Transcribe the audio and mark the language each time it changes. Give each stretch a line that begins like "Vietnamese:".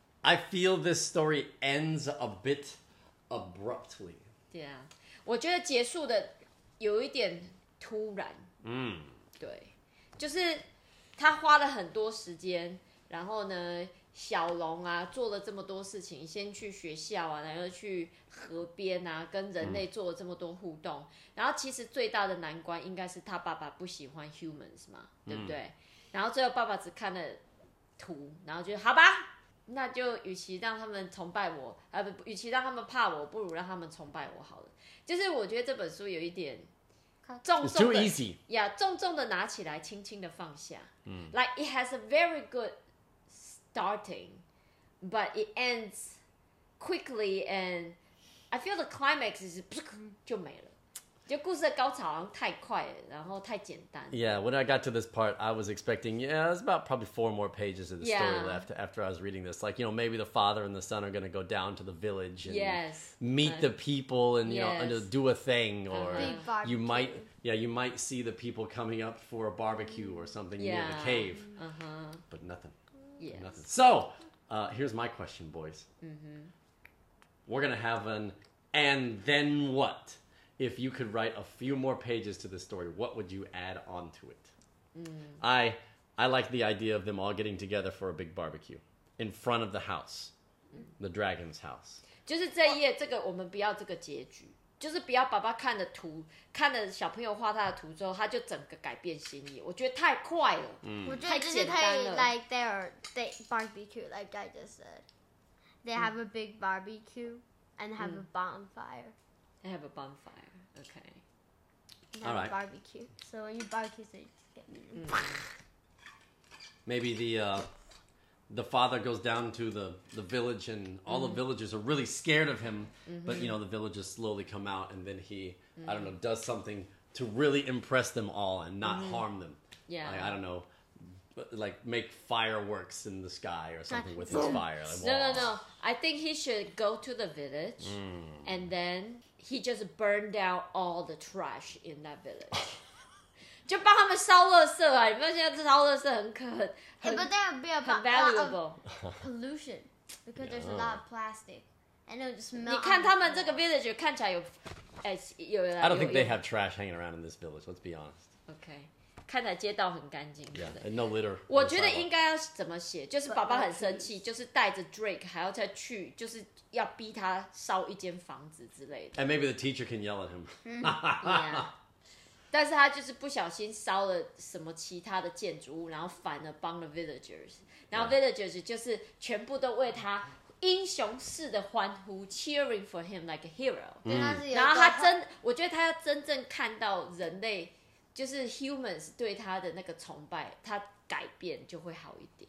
English: I feel this story ends a bit abruptly.
Chinese: Yeah, 我觉得结束的有一点突然，对，就是他花了很多时间，然后呢，小龙啊做了这么多事情，先去学校啊，然后去河边啊，跟人类做了这么多互动，然后其实最大的难关应该是他爸爸不喜欢 humans 嘛，对不对？然后最后爸爸只看了图，然后就好吧，那就与其让他们崇拜我，与其让他们怕我，不如让他们崇拜我好了。就是我觉得这本书有一点重重的呀，重重的拿起来，轻轻的放下。
English: Like it has a very good starting, but it ends quickly, and I feel the climax is
Chinese: 就没了。就故事的高潮好像太快了，然后太简单。
English: Yeah, when I got to this part, I was expecting, yeah, there's about probably 4 more pages of the story left after I was reading this. Like, you know, maybe the father and the son are going to go down to the village and meet the people and, you know, and do a thing. Or you might, you might see the people coming up for a barbecue or something near the cave. But nothing. Nothing. So, here's my question, boys. We're going to have an and then what? If you could write a few more pages to the story, what would you add on to it? I like the idea of them all getting together for a big barbecue in front of the house, the dragon's house.
Chinese: 就是这一页，这个我们不要这个结局，就是不要爸爸看的图，看了小朋友画他的图之后，他就整个改变心意。我觉得太快了，太简单了。我觉得就是太
English: like they barbecue like I just said. They have a big barbecue and have a bonfire. They have a bonfire. Okay. All right. Barbecue. So when you barbecue, they just get me. Maybe the father goes down to the village and all the villagers are really scared of him. But, you know, the villagers slowly come out and then he, I don't know, does something to really impress them all and not harm them. Yeah. Like, I don't know. Like make fireworks in the sky or something with his fire. Like, no, no, no. I think he should go to the village and then... He just burned down all the trash in that village.
Chinese: 就帮他们烧垃圾啊！你不觉得烧垃圾很可很
English: hey, but there would be a lot valuable of pollution because there's a lot of plastic and it would just melt.
Chinese: 你看他们这个 village 看起来有，有。
English: I don't think they have trash hanging around in this village. Let's be honest.
Chinese: Okay. 看起来街道很干净
English: yeah, no litter
Chinese: 我觉得应该要怎么写就是爸爸很生气就是带着 Drake 还要再去就是要逼他烧一间房子之类的
English: and maybe the teacher can yell at him
Chinese: yeah. 但是他就是不小心烧了什么其他的建筑物然后反而帮了 villagers 然后 villagers 就是全部都为他英雄式的欢呼
English: cheering for him like a hero
Chinese: 然后他真我觉得他要真正看到人类就是 humans 对他的那个崇拜，他改变就会好一点。